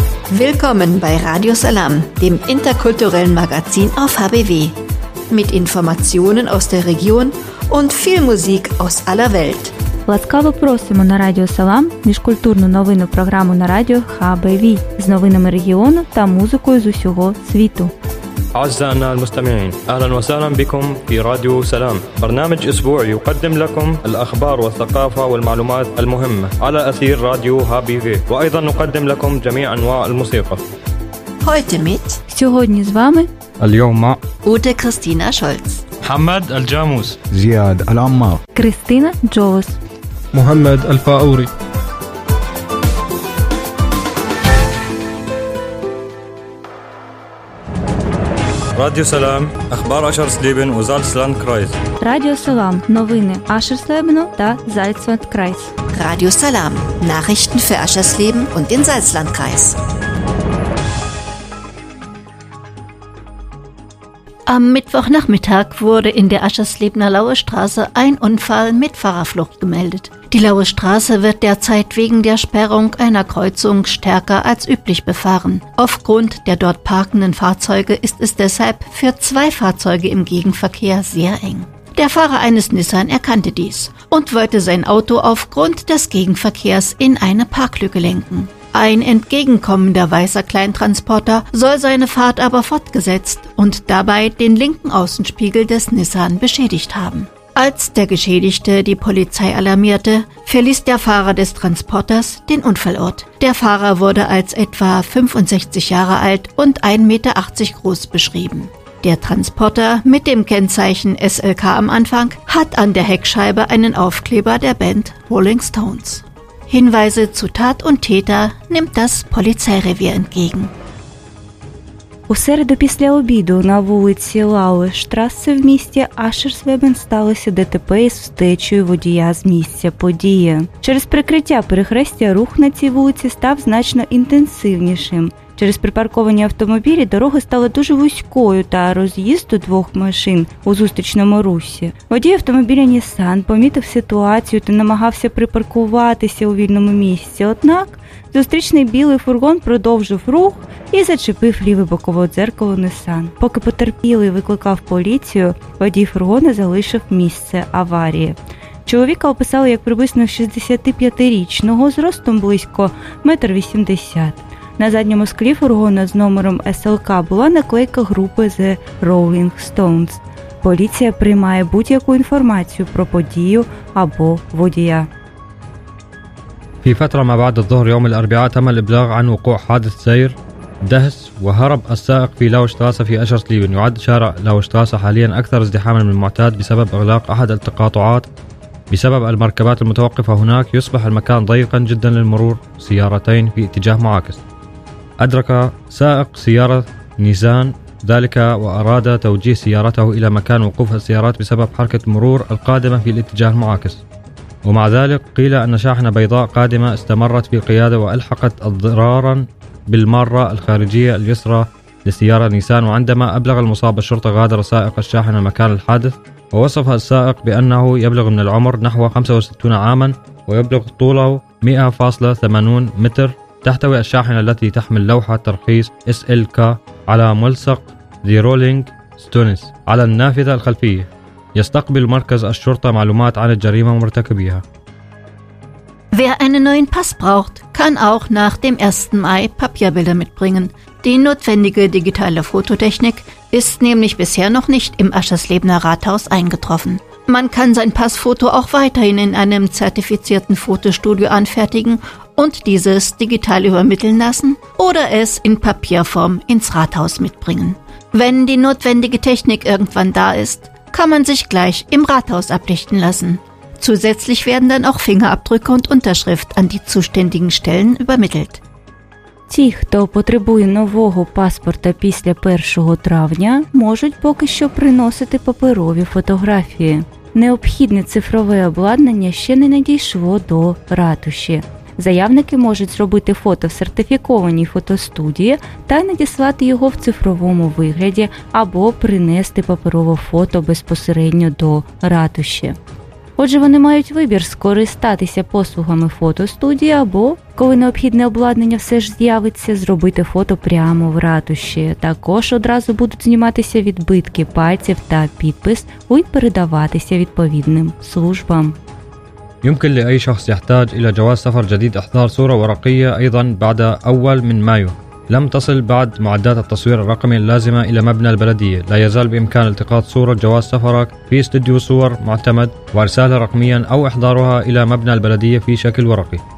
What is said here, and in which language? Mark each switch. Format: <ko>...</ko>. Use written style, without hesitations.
<de>Willkommen bei Radio Salam, dem interkulturellen Magazin auf HBW. Mit Informationen aus der Region und viel Musik aus aller Welt.</de> <uk>Ласкаво просимо на Радіо Салам міжкультурну новинну програму на радіо HBV з новинами регіону та музикою з усього світу.</uk> <ar>أعزائنا المستمعين أهلا وسهلا بكم في راديو سلام برنامج أسبوعي يقدم لكم الأخبار والثقافة والمعلومات المهمة على أثير راديو هابي في وأيضا نقدم لكم جميع أنواع الموسيقى</ar> <uk>сьогодні з вами</uk> <ar>اليوم مع أوتا كريستينا شولتز محمد الجاموس زياد العمار كريستينا جوز محمد الفاوري Радіо Салам, Ахбар Ашерслібен у Зальцландкрайс.</ar> <uk>Радіо Салам, новини Ашерслібену та Зальцландкрайс.</uk> <de>Радіо Салам, Нахрішн фе Ашерслібен у ден Зальцландкрайс. Am Mittwochnachmittag wurde in der Aschersleben-er Lauer Straße ein Unfall mit Fahrerflucht gemeldet. Die Lauer Straße wird derzeit wegen der Sperrung einer Kreuzung stärker als üblich befahren. Aufgrund der dort parkenden Fahrzeuge ist es deshalb für zwei Fahrzeuge im Gegenverkehr sehr eng. Der Fahrer eines Nissan erkannte dies und wollte sein Auto aufgrund des Gegenverkehrs in eine Parklücke lenken. Ein entgegenkommender weißer Kleintransporter soll seine Fahrt aber fortgesetzt und dabei den linken Außenspiegel des Nissan beschädigt haben. Als der Geschädigte die Polizei alarmierte, verließ der Fahrer des Transporters den Unfallort. Der Fahrer wurde als etwa 65 Jahre alt und 1,80 Meter groß beschrieben. Der Transporter mit dem Kennzeichen SLK am Anfang hat an der Heckscheibe einen Aufkleber der Band Rolling Stones. Hinweise zu Tat und Täter nimmt das Polizeirevier entgegen.</de> <uk>У середу після обіду на вулиці Лауе-Штрасе в місті Ашерслібен сталося ДТП із втечею водія з місця події. Через прикриття перехрестя рух на цій вулиці став значно інтенсивнішим. Через припарковані автомобілі дорога стала дуже вузькою та роз'їзд у двох машин у зустрічному русі. Водій автомобіля Nissan помітив ситуацію та намагався припаркуватися у вільному місці, однак зустрічний білий фургон продовжив рух і зачепив ліве бокове дзеркало Nissan. Поки потерпілий викликав поліцію, водій фургона залишив місце аварії. Чоловіка описали як приблизно 65-річного, зростом близько 1,80 м. На задньому склі фургона з номером СЛК була наклейка групи The Rolling Stones. Поліція приймає будь-яку інформацію про подію або водія.</uk> <ar>في فترة ما بعد الظهر يوم الأربعاء تم الإبلاغ عن وقوع حادث سير دهس وهرب السائق في لاوشتراسة في أشرسليبن يعد شارع لاوشتراسة حاليا أكثر ازدحاما من المعتاد بسبب إغلاق أحد التقاطعات بسبب المركبات المتوقفة هناك يصبح المكان ضيقا جدا للمرور سيارتين في اتجاه معاكس أدرك سائق سيارة نيسان ذلك وأراد توجيه سيارته إلى مكان وقوف السيارات بسبب حركة المرور القادمة في الاتجاه المعاكس ومع ذلك قيل أن شاحنة بيضاء قادمة استمرت في قيادة وألحقت ضررا بالمارة الخارجية اليسرى لسيارة نيسان وعندما أبلغ المصاب الشرطة غادر سائق الشاحنة مكان الحادث ووصف السائق بأنه يبلغ من العمر نحو 65 عاما ويبلغ طوله 100.80 متر تحتوي الشاحنة التي تحمل لوحة ترخيص SLK على ملصق The Rolling Stones على النافذة الخلفية يستقبل مركز الشرطة معلومات عن الجريمة ومرتكبيها.</ar> <de>Wer einen neuen Pass braucht, kann auch nach dem 1. Mai Papierbilder mitbringen. Die notwendige digitale Fototechnik ist nämlich bisher noch nicht im Aschersleben-er Rathaus eingetroffen. Man kann sein Passfoto auch weiterhin in einem zertifizierten Fotostudio anfertigen und dieses digital übermitteln lassen oder es in Papierform ins Rathaus mitbringen. Wenn die notwendige Technik irgendwann da ist, kann man sich gleich im Rathaus ablichten lassen. Zusätzlich werden dann auch Fingerabdrücke und Unterschrift an die zuständigen Stellen übermittelt.</de> <uk>Ті, хто потребує нового паспорта після 1 травня, можуть поки що приносити паперові фотографії. Необхідне цифрове обладнання ще не надійшло до ратуші. Заявники можуть зробити фото в сертифікованій фотостудії та надіслати його в цифровому вигляді або принести паперове фото безпосередньо до ратуші. Отже, вони мають вибір скористатися послугами фотостудії або, коли необхідне обладнання все ж з'явиться, зробити фото прямо в ратуші. Також одразу будуть зніматися відбитки пальців та підпис і передаватися відповідним службам.</uk> <ar>يمكن لأي شخص يحتاج إلى جواز سفر جديد إحضار صورة ورقية أيضا بعد أول من مايو. لم تصل بعد معدات التصوير الرقمي اللازمة إلى مبنى البلدية. لا يزال بإمكان التقاط صورة جواز سفرك في استوديو صور معتمد وإرسالها رقميا أو إحضارها إلى مبنى البلدية في شكل ورقي.</ar>